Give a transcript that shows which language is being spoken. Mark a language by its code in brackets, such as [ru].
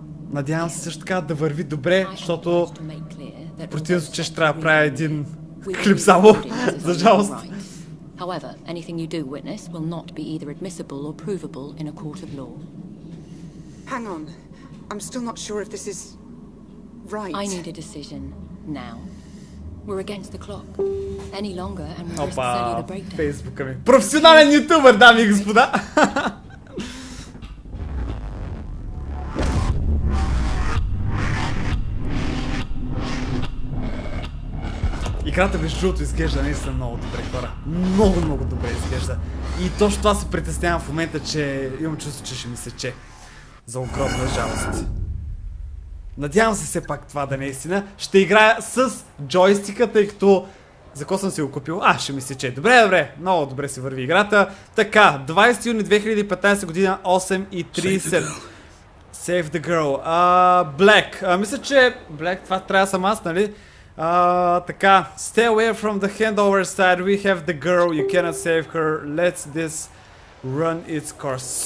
[bg] Надявам се също така да върви добре, защото в противен случай ще трябва да правя един клип само, за жалост. [en] However, anything you do witness will not be either admissible or provable in a court of law. Hang on. I'm still not sure if this is right. I need a decision now. We're against the clock. Any longer and we're just selling the breakdown. [bg] Facebook ми. Професионален ютубър, дами и господа. Играта между другото изглежда наистина много добре, хора. Много, много добре изглежда. И точно това се притеснявам в момента, че имам чувство, че ще ми сече. За огромна жалост. Надявам се все пак това да не е истина. Ще играя с джойстика, тъй като... За кого съм си го купил? А, ще ми сече. Добре, добре. Много добре се върви играта. Така, 20 юни 2015 година, 8:30. [en] Save the girl. Black. [bg] Мисля, че... Black, това трябва съм аз, нали? Така, [en] stay away from the handover side, we have the girl, you cannot save her, let this run its course.